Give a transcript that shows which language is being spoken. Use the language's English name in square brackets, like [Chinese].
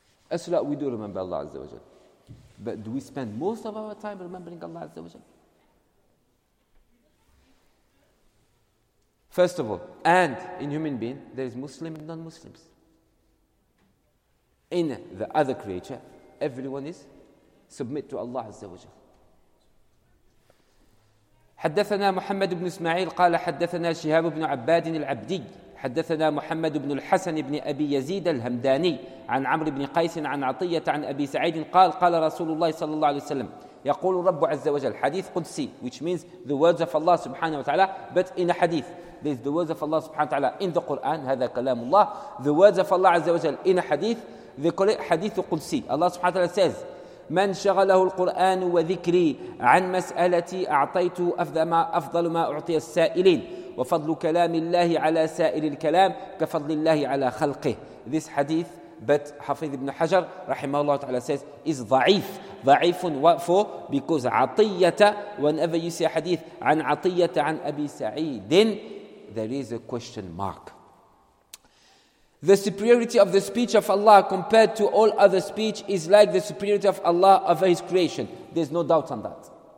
[English] Asla, we do remember Allah Azza wa Jal. But do we spend most of our time remembering Allah Azza wa Jal? First of all, and in human being, there is Muslim and non-Muslims. In the other creature, everyone is submit to Allah Azza wa Jal. [Arabic] حدثنا محمد بن اسماعيل قال حدثنا شهاب بن عباد العبدي حدثنا محمد بن الحسن بن أبي يزيد الهمداني عن عمرو بن قيس عن عطية عن أبي سعيد قال قال رسول الله صلى الله عليه وسلم يقول الرب عز وجل حديث قدسي [English] which means the words of Allah [Arabic] سبحانه وتعالى [English] but in a hadith this is the words of Allah [Arabic] سبحانه وتعالى [English] in the Quran [Arabic] هذا كلام الله [English] the words of Allah [Arabic] عز وجل [English] in a hadith they call it [Arabic] حديث قدسي Allah سبحانه وتعالى says من شغله القرآن وذكري عن مسألتي أعطيته أفضل ما أعطي السائلين وفضل كلام الله على سائر الكلام كفضل الله على خلقه. [English] This hadith, but [Arabic] حفيظ بن حجر رحمه الله تعالى [English] says, is ضعيف. [Arabic] ضعيف وقفه [English] because عطية, whenever you say hadith, [Arabic] عن عطية عن أبي سعيد, [English] there is a question mark. The superiority of the speech of Allah compared to all other speech is like the superiority of Allah over His creation. There's no doubt on that.